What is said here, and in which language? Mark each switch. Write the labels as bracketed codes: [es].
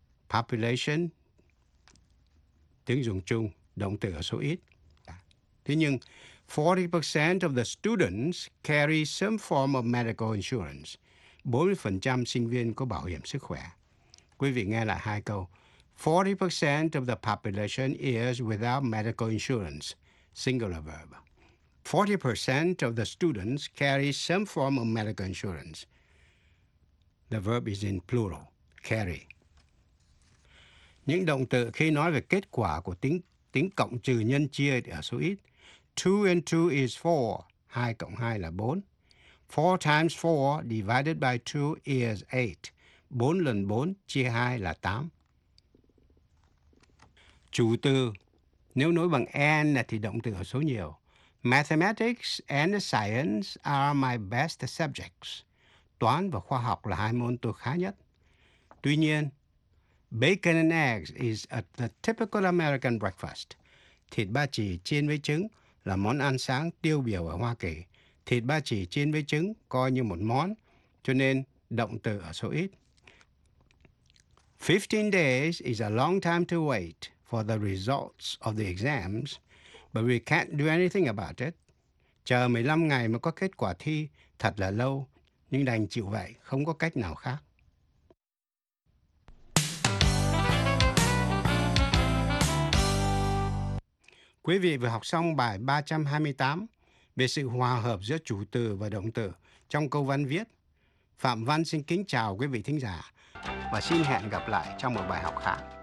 [vi] Population, tiếng dùng chung, động từ ở số ít. Thế nhưng, [en] 40% of the students carry some form of medical insurance. [vi] 40% sinh viên có bảo hiểm sức khỏe. Quý vị nghe lại hai câu. [en] 40% of the population is without medical insurance. Singular verb. 40% of the students carry some form of medical insurance. The verb is in plural. Carry. [vi] Những động từ khi nói về kết quả của tính cộng trừ nhân chia ở số ít. [en] 2 and 2 is 4. [vi] 2 cộng 2 là 4. [en] 4 times 4 divided by 2 is 8. [vi] 4 lần 4 chia 2 là 8. Chủ từ, nếu nối bằng and thì động từ ở số nhiều. [en] Mathematics and science are my best subjects. [vi] Toán và khoa học là hai môn tôi khá nhất. Tuy nhiên, [en] bacon and eggs is at the typical American breakfast. [vi] Thịt ba chỉ chiên với trứng là món ăn sáng tiêu biểu ở Hoa Kỳ. Thịt ba chỉ chiên với trứng coi như một món, cho nên động từ ở số ít. [en] 15 days is a long time to wait for the results of the exams, but we can't do anything about it. [vi] Chờ 15 ngày mới có kết quả thi thật là lâu, nhưng đành chịu vậy, không có cách nào khác. Quý vị vừa học xong bài 328. Về sự hòa hợp giữa chủ từ và động từ trong câu văn viết, Phạm Văn xin kính chào quý vị thính giả và xin hẹn gặp lại trong một bài học khác.